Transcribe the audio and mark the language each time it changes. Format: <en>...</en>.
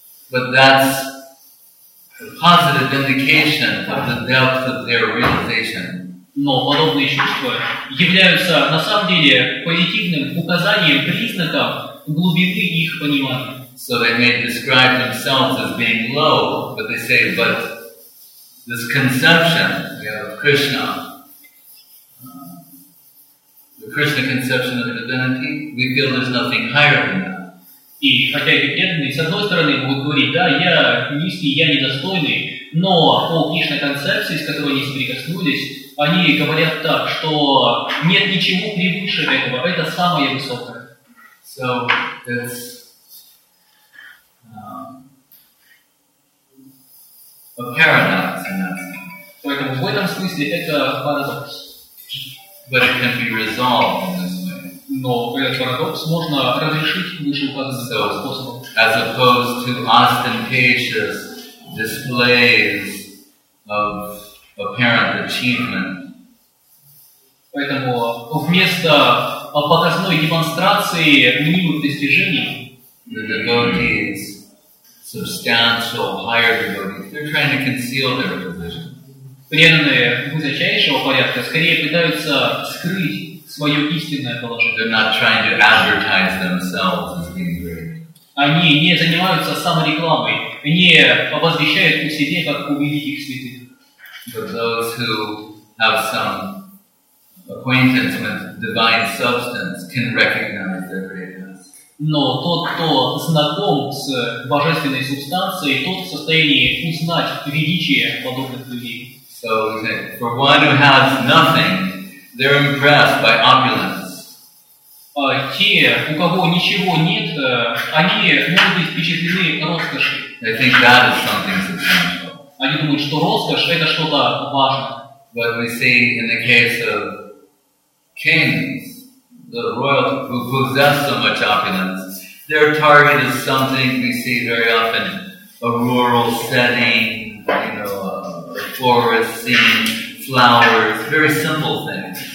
<en>But that's a positive indication of the depth of their realization.</en> <ru>Но подобные чувства являются на самом деле позитивным указанием, признаком глубины их понимания.</ru> <en>So they may describe themselves as being low, but they say, but this conception of Krishna, the Krishna conception of the divinity, we feel there's nothing higher than that.</en> <ru>И хотя эти преданные, с одной стороны, будут говорить, да, я низкий, я недостойный, но по Кришна концепции, с которой они соприкоснулись, они говорят так, что нет ничего превыше этого, это самое высокое.</ru> <en>So it's a paradox in that sense.</en> <ru>Поэтому в этом смысле это парадокс.</ru> <en>But it can be resolved in this way.</en> <ru>Но этот парадокс можно разрешить вышеуказанным способом.</ru> <en>As opposed to ostentatious displays of apparent achievement.</en> <ru>Поэтому вместо показной демонстрации мнимых достижений,</ru> <en>the devotees, substantial higher devotees, they're trying to conceal their position.</en> <ru>Преданные высочайшего порядка скорее пытаются скрыть свое истинное положение.</ru> <en>They're not trying to advertise themselves as being great.</en> <ru>Они не занимаются саморекламой, не обозвещают у себя как у великих святых.</ru> <en>But those who have some acquaintance with divine substance can recognize their greatness.</en> <ru>Но тот, кто знаком с божественной субстанцией, тот в состоянии узнать величие подобных людей.</ru> <en>So, for one who has nothing, they're impressed by opulence.</en> <ru>Те, у кого ничего нет, они могут быть впечатлены роскошью.</ru> <en>They think that is something substantial.</en> <ru>Они думают, что роскошь — это что-то важное.</ru> <en>But we see in the case of kings, the royal who possess so much opulence, their target is something we see very often, a rural setting, you know, a forest scene, flowers, very simple things.</en>